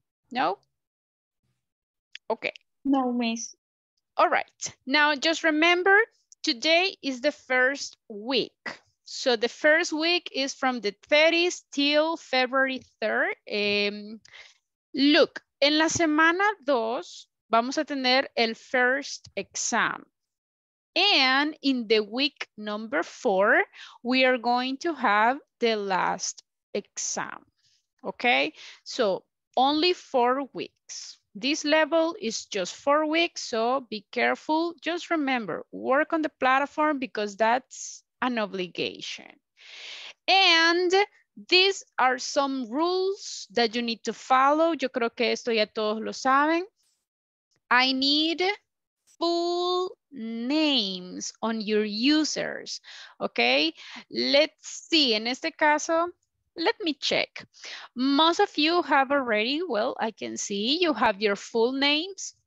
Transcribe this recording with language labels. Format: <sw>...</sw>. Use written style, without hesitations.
<en>No? Okay. No, miss. All right. Now just remember, today is the first week. So the first week is from the 30th till February 3rd.</en> <es>Look, en la semana 2 vamos a tener el</es> <en>first exam. And in the week number 4, we are going to have the last exam. Okay? So, only 4 weeks. This level is just 4 weeks, so be careful. Just remember, work on the platform because that's an obligation. And these are some rules that you need to follow.</en> <es>Yo creo que esto ya todos lo saben.</es> <en>I need full names on your users, okay? Let's see,</en> <es>en este caso,</es> <en>let me check. Most of you have already, well, I can see you have your full names.</en>